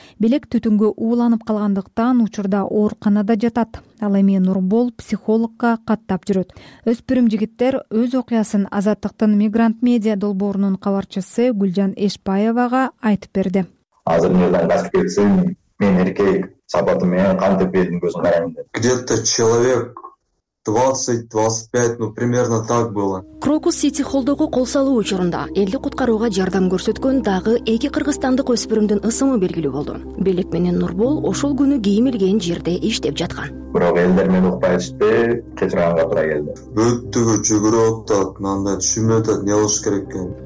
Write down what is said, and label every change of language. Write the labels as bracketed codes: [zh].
[ky] Белек түтүнгө ууланып калгандыктан учурда ооруканада жатат. Ал эми Нурбол психологко каттап жүрөт. Өспүрүм жигиттер өз окуясын Азаттыктын мигрант медиа долбоорунун кабарчысы Гүлжан Эшпаевага айтып берди. Азыр мындай басып кетсин. Мен эркек сабатым менен кантип элдин көзүн караймын деп. [ru] Где-то человек 20-25, ну примерно так было. [ky] Крокус Сити Холлдогу кол салуу учурунда элди куткарууга жардам көрсөткөн дагы эки кыргызстандык өспүрүмдүн ысымы белгилүү болду. Белек менен Нурбол ошол күнү кийим илген жерде иштеп жаткан. Бирок элдер мени укпайтышты, кечиранга туура келди. Бүттүгү жүгүрүп атат, мындай түшүнбөй атат, эмне болуш керек экен?